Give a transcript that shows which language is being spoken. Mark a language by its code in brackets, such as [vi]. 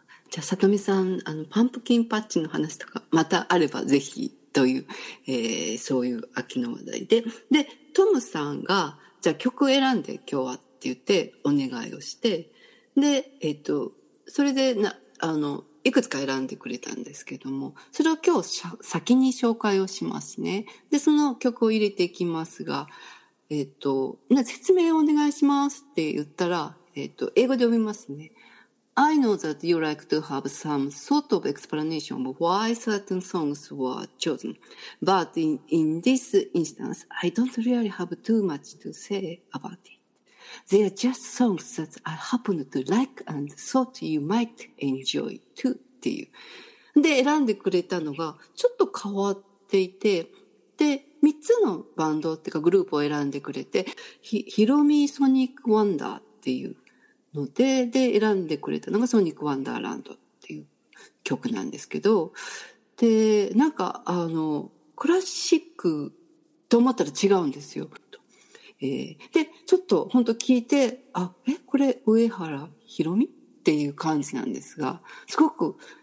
[ja] じゃあさとみさん、あのパンプキンパッチの話とかまたあればぜひという、そういう秋の話題で、でトムさんがじゃあ曲選んで今日はって言ってお願いをして、で、それでなあのいくつか選んでくれたんですけども、それを今日先に紹介をしますね。でその曲を入れていきますが、説明をお願いしますって言ったら、英語で読みますね。 [en] I know that you like to have some sort of explanation of why certain songs were chosen. But in this instance, I don't really have too much to say about it. They are just songs that I happen to like and thought you might enjoy too. [ja] っていう。で、選んでくれたのがちょっと変わっていて、で、3つのバンドっていうかグループを選んでくれて、ヒロミソニックワンダーっていう。で選んでくれたのがソニックワンダーランドっていう曲なんですけど、でなんかあのクラシックと思ったら違うんですよ、でちょっと本当聞いて、あえこれ上原ひろみっていう感じなんですが、すごく